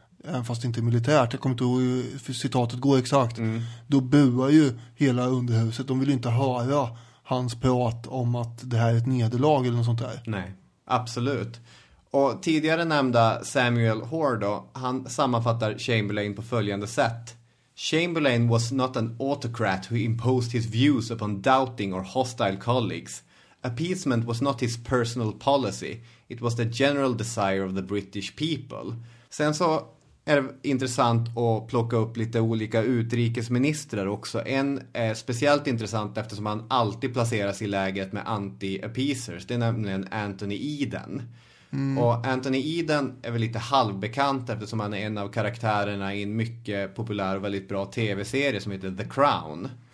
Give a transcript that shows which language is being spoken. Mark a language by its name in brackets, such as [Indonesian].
[Swedish] även fast inte militärt, jag kommer inte ihåg hur citatet går exakt, då buar ju hela underhuset. De vill ju inte höra hans prat om att det här är ett nederlag eller något sånt där. Nej, absolut. Och tidigare nämnda Samuel Hoare då, han sammanfattar Chamberlain på följande sätt. [English] Chamberlain was not an autocrat who imposed his views upon doubting or hostile colleagues. Appeasement was not his personal policy. It was the general desire of the British people. [Swedish] Sen så är det intressant att plocka upp lite olika utrikesministrar också. En är speciellt intressant eftersom han alltid placeras i läget med anti-appeasers. Det är nämligen Anthony Eden. Mm. Och Anthony Eden är väl lite halvbekant eftersom han är en av karaktärerna i en mycket populär och väldigt bra tv-serie som heter The Crown.